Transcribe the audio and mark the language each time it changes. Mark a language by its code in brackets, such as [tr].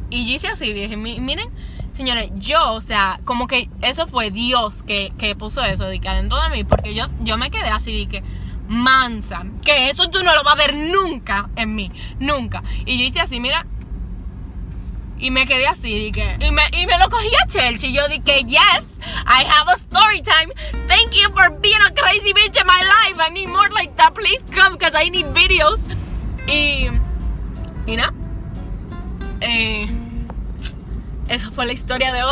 [es] Y yo hice así, dije, miren, señores, yo, o sea, como que eso fue Dios que puso eso dije, adentro de mí. Porque yo me quedé así, dije, mansa, que eso tú no lo vas a ver nunca en mí, nunca. Y yo hice así, mira. Y me quedé así, dije, y me lo cogí a Church. Y yo dije, [en] yes, I have a story time. Thank you for being a crazy bitch in my life. I need more like that, please come, because I need videos. [es] Y no, esa fue la historia de hoy.